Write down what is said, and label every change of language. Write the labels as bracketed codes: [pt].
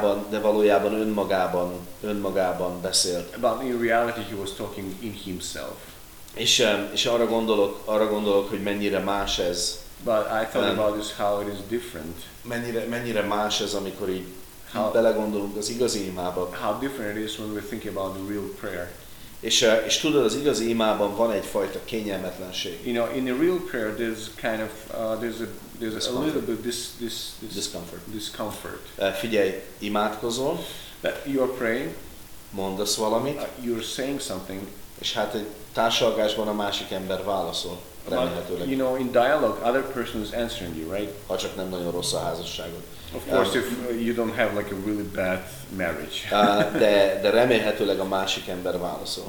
[hu] De valójában önmagában beszélt. [en] But in reality, he was talking in himself. [hu] És arra gondolok, hogy mennyire más ez. [en] But I thought about this, how it is different. [hu] Mennyire más ez, amikor így belegondolunk az igazi imába. [en] How different it is when we think about the real prayer. [hu] És tudod, az igazi imában van egy fajta kényelmetlenség. [en] You know, in the real prayer, there's kind of there's a little bit this discomfort. [hu] Figyelj, imádkozol. [en] But you're praying. [hu] Mondasz valamit. [en] You're saying something. [hu] És hát egy társalgásban a másik ember válaszol. remélhetőleg. [en] But, you know, in dialogue, other person is answering you, right? [hu] Ha csak nem nagyon rossz a házasságod. [en] Of course, if you don't have like a really bad marriage. [hu] de remélhetőleg a másik ember válaszol.